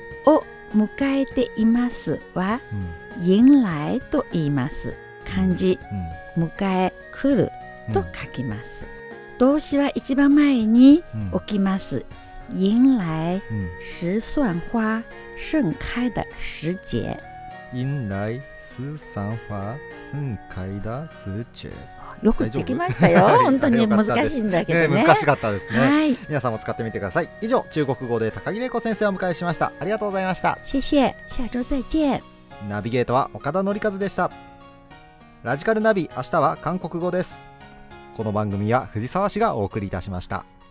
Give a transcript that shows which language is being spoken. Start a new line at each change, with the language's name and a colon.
Japanese: を迎えていますは、迎来と言います。漢字、迎え来ると書きます、動詞は一番前に置きます、
Chinese: 迎来石蒜花盛開的时节、迎来石蒜花盛開的时节、
Japanese: よくできましたよ。本当に難しいんだけどね。難しかったですね、はい、皆さんも使ってみてください。以上、中国語で高木玲子先生をお迎えしました。ありがとうございました。
Chinese: 谢谢、下周再见。
Japanese: ナビゲートは岡田紀一でした。ラジカルナビ、明日は韓国語です。この番組は藤沢市がお送りいたしました。